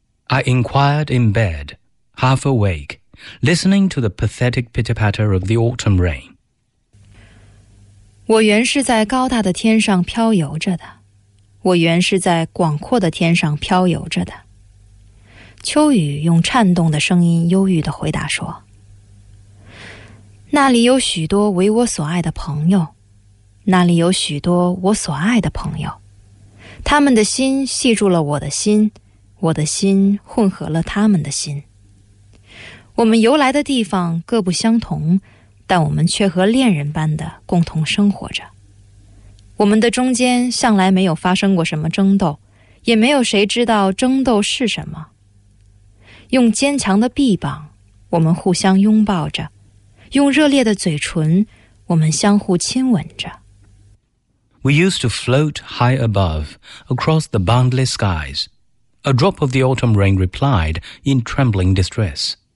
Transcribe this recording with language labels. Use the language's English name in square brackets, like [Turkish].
[English] I inquired in bed, half awake, listening to the pathetic pitter-patter of the autumn rain. [Chinese] 我原是在高大的天上飘游着的。我原是在广阔的天上飘游着的。秋雨用颤动的声音忧郁地回答说，那里有许多为我所爱的朋友，那里有许多我所爱的朋友，他们的心系住了我的心，我的心混合了他们的心。我们由来的地方各不相同，但我们却和恋人般的共同生活着。我们的中间向来没有发生过什么争斗，也没有谁知道争斗是什么。用坚强的臂膀，我们互相拥抱着，用热烈的嘴唇，我们相互亲吻着。 [English] We used to float high above, across the boundless skies. A drop of the autumn rain replied in trembling distress.